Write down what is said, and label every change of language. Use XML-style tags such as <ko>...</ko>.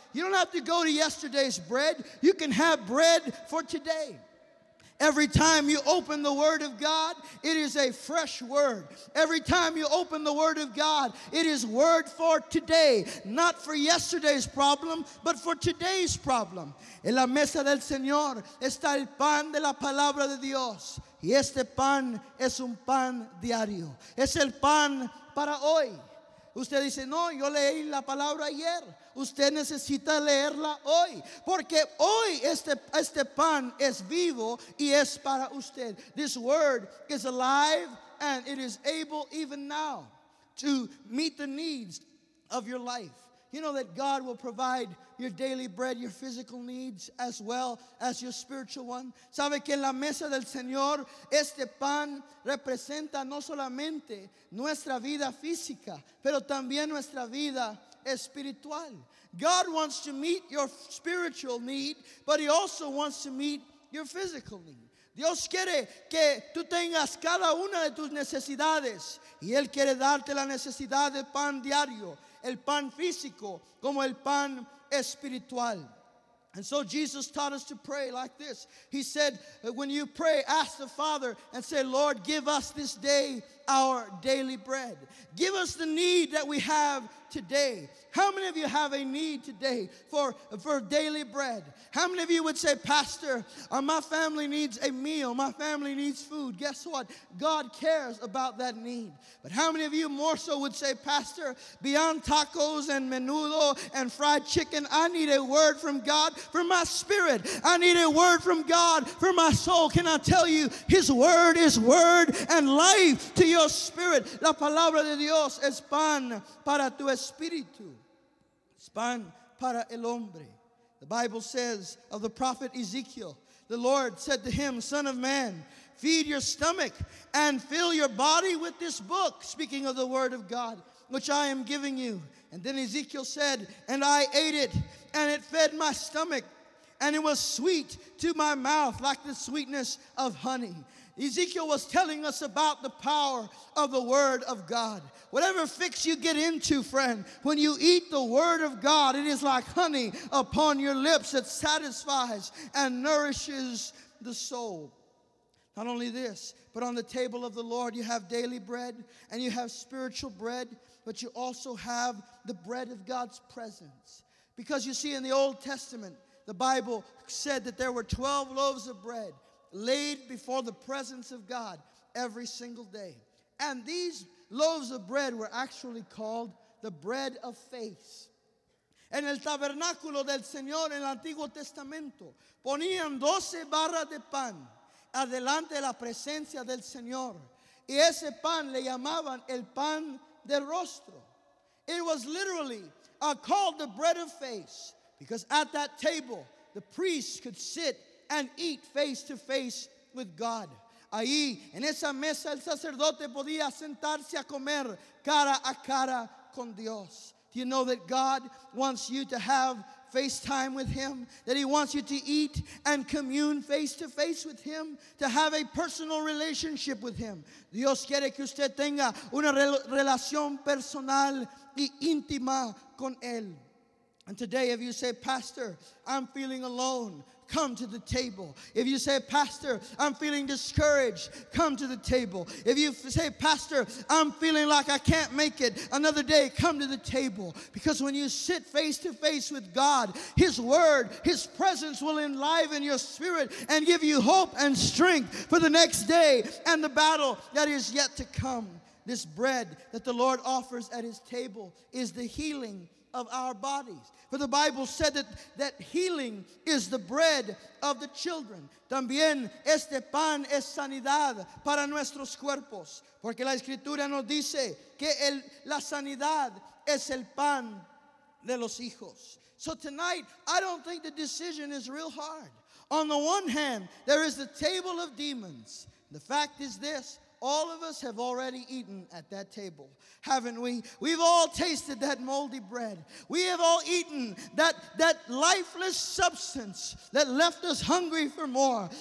<en>You don't have to go to yesterday's bread. You can have bread for today. Every time you open the Word of God, it is a fresh word. Every time you open the Word of God, it is word for today. Not for yesterday's problem, but for today's problem.</en> <es>En la mesa del Señor está el pan de la palabra de Dios. Y este pan es un pan diario. Es el pan para hoy. Usted dice, no, yo leí la palabra ayer. Usted necesita leerla hoy, porque hoy este pan es vivo y es para usted.</es> <en>This word is alive and it is able even now to meet the needs of your life. You know that God will provide your daily bread, your physical needs, as well as your spiritual one.</en> <es>Sabe que en la mesa del Señor, este pan representa no solamente nuestra vida física, pero también nuestra vida espiritual.</es> <en>God wants to meet your spiritual need, but he also wants to meet your physical need.</en> <es>Dios quiere que tú tengas cada una de tus necesidades, y él quiere darte la necesidad de pan diario, el pan físico como el pan espiritual.</es> <en>And so Jesus taught us to pray like this. He said, when you pray, ask the Father and say, Lord, give us this day our daily bread. Give us the need that we have today. How many of you have a need today for daily bread? How many of you would say, Pastor, my family needs a meal. My family needs food. Guess what? God cares about that need. But how many of you more so would say, Pastor, beyond tacos and menudo and fried chicken, I need a word from God for my spirit. I need a word from God for my soul. Can I tell you, his word is word and life to your spirit.</en> <es>La palabra de Dios es pan para tu espíritu. Es pan para el hombre.</es> <en>The Bible says of the prophet Ezekiel, the Lord said to him, Son of man, feed your stomach and fill your body with this book, speaking of the word of God, which I am giving you. And then Ezekiel said, and I ate it, and it fed my stomach, and it was sweet to my mouth like the sweetness of honey. Ezekiel was telling us about the power of the Word of God. Whatever fix you get into, friend, when you eat the Word of God, it is like honey upon your lips that satisfies and nourishes the soul. Not only this, but on the table of the Lord, you have daily bread and you have spiritual bread, but you also have the bread of God's presence. Because you see, in the Old Testament, the Bible said that there were 12 loaves of bread laid before the presence of God every single day. And these loaves of bread were actually called the bread of faith.</en> <es>En el tabernáculo del Señor, en el Antiguo Testamento, ponían 12 barras de pan adelante de la presencia del Señor. Y ese pan le llamaban el pan de rostro.</es> <en>It was literally called the bread of face, because at that table, the priest could sit and eat face to face with God.</en> <es>Ahí, en esa mesa, el sacerdote podía sentarse a comer cara a cara con Dios.</es> <en>Do you know that God wants you to have FaceTime with Him? That He wants you to eat and commune face to face with Him? To have a personal relationship with Him?</en> <es>Dios quiere que usted tenga una relación personal y íntima con Él.</es> <en>And today, if you say, Pastor, I'm feeling alone, come to the table. If you say, Pastor, I'm feeling discouraged, come to the table. If you say, Pastor, I'm feeling like I can't make it another day, come to the table. Because when you sit face to face with God, His word, His presence will enliven your spirit and give you hope and strength for the next day and the battle that is yet to come. This bread that the Lord offers at His table is the healing of our bodies. For the Bible said that healing is the bread of the children.</en> <es>También este pan es sanidad para nuestros cuerpos. Porque la Escritura nos dice que la sanidad es el pan de los hijos.</es> <en>So tonight, I don't think the decision is real hard. On the one hand, there is the table of demons. The fact is this: all of us have already eaten at that table, haven't we? We've all tasted that moldy bread. We have all eaten that lifeless substance that left us hungry for more.</en>